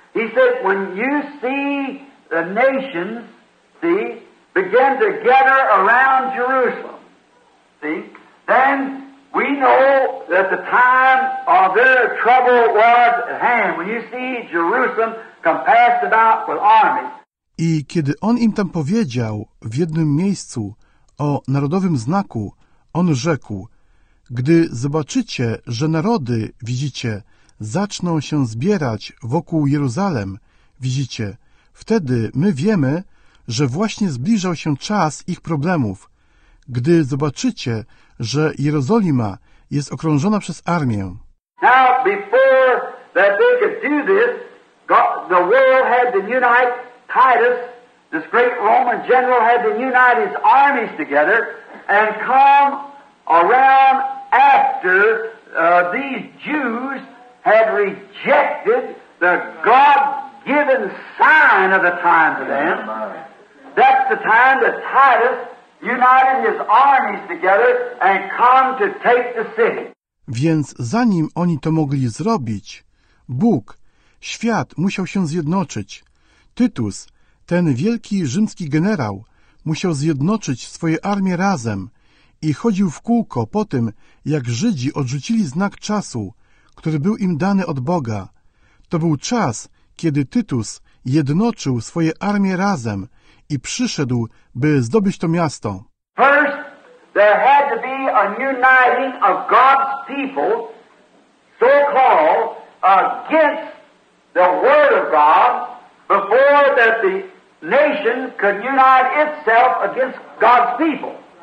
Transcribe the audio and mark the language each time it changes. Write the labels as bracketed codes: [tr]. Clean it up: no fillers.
[en] He said, when you see the nations, see, begin to gather around Jerusalem, see, then we know that the time of their trouble was at hand. When you see Jerusalem compassed about with armies. [pl] I kiedy on im tam powiedział w jednym miejscu o narodowym znaku, on rzekł, gdy zobaczycie, że narody, widzicie, zaczną się zbierać wokół Jeruzalem, widzicie, wtedy my wiemy, że właśnie zbliżał się czas ich problemów. Gdy zobaczycie, że Jerozolima jest okrążona przez armię. [en] Now, before that they could do this, the world had to unite Titus, this great Roman general, had to unite his armies together and come around after these Jews had rejected the God-given sign of the time to them. That's the time that Titus united his armies together and come to take the city. [pl] Więc zanim oni to mogli zrobić, Bóg, świat musiał się zjednoczyć. Tytus, ten wielki rzymski generał, musiał zjednoczyć swoje armie razem i chodził w kółko po tym, jak Żydzi odrzucili znak czasu, który był im dany od Boga. To był czas, kiedy Tytus jednoczył swoje armie razem i przyszedł, by zdobyć to miasto. [en] First, there had to be a uniting of God's people, so called, against the word of God, before that the nation could unite itself against God's people.